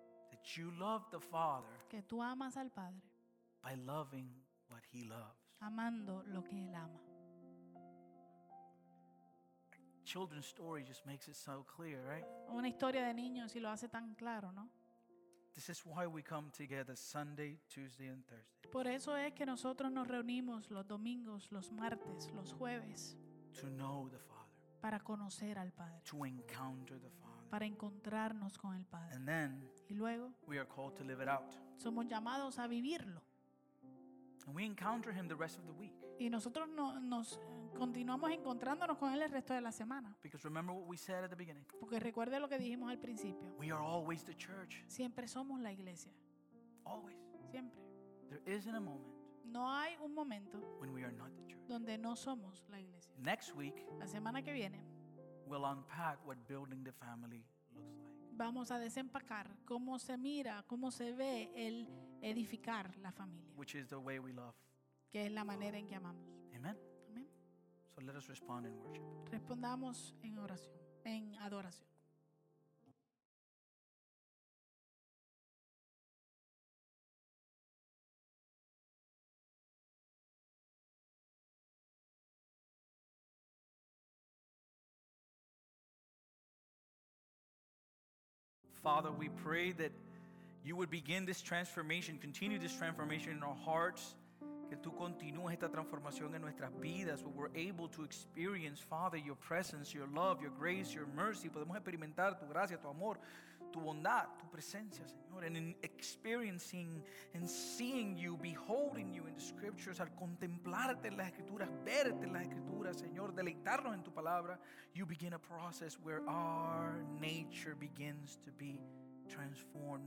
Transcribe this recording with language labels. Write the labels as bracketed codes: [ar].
[en] That you love the Father. [es] Que tú amas al Padre. [en] By loving what he loves. [es] Amando lo que él ama. [en] Children's story just makes it so clear, right? [es] Una historia de niños y lo hace tan claro, ¿no? [en] This is why we come together Sunday, Tuesday, and Thursday. [es] Por eso es que nosotros nos reunimos los domingos, los martes, los jueves. [en] To know the Father. [es] para conocer al Padre, [en] to encounter the Father, [es] para encontrarnos con el Padre. [en] And then, [es] y luego, [en] we are called to live it out. [es] Somos llamados a vivirlo. [en] And we encounter him the rest of the week. [es] Y nosotros no, nos continuamos encontrándonos con él el resto de la semana. [en] Because remember what we said at the beginning. [es] Porque recuerde lo que dijimos al principio. [en] We are always the church. [es] Siempre somos la iglesia. [en] Always. [es] Siempre. [en] There isn't a moment. [es] No hay un momento [en] when we are not the church. [es] Donde no somos la iglesia. [en] Next week, [es] la semana que viene, [en] we'll unpack what building the family looks like. [es] Vamos a desempacar cómo se mira, cómo se ve el edificar la familia. [en] Which is the way we love. [es] Que es la manera en que amamos. [en] Amen. [es] Amen. [en] So let us respond in worship. [es] Respondamos en oración, en adoración. [en] Father, we pray that you would begin this transformation, continue this transformation in our hearts. [es] Que tú continúes esta transformación en nuestras vidas. [en] Where we're able to experience, Father, your presence, your love, your grace, your mercy. [es] Podemos experimentar tu gracia, tu amor, tu bondad, tu presencia, Señor. [en] And in experiencing and seeing you, beholding you in the scriptures, [es] al contemplarte en las escrituras, verte en las escrituras, Señor, deleitarnos en tu palabra, [en] you begin a process where our nature begins to be transformed.